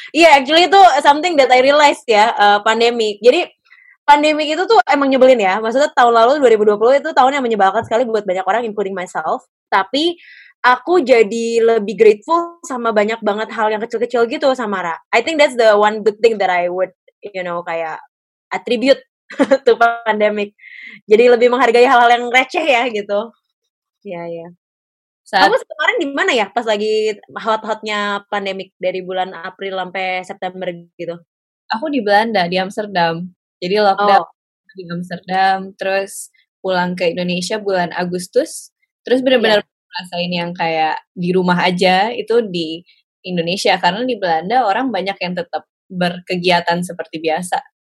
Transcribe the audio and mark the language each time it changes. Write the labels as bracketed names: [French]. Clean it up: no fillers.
[English] Iya, actually itu something that I realized ya, pandemic. [Indonesian] Jadi pandemi itu tuh emang nyebelin ya. Maksudnya tahun lalu 2020 itu tahun yang menyebalkan sekali buat banyak orang, [English] including myself. [Indonesian] Tapi aku jadi lebih grateful sama banyak banget hal yang kecil-kecil gitu sama Ra. [English] I think that's the one good thing that I would, you know, kayak attribute to pandemic. [Indonesian] Jadi lebih menghargai hal-hal yang receh ya gitu. Iya. Kamu kemarin di mana ya pas lagi hot-hotnya pandemic dari bulan April sampai September gitu? Aku di Belanda, di Amsterdam. Jadi lockdown di Amsterdam, terus pulang ke Indonesia bulan Agustus, terus benar-benar ngerasain yang kayak di rumah aja itu di Indonesia, karena di Belanda orang banyak yang tetap berkegiatan seperti biasa.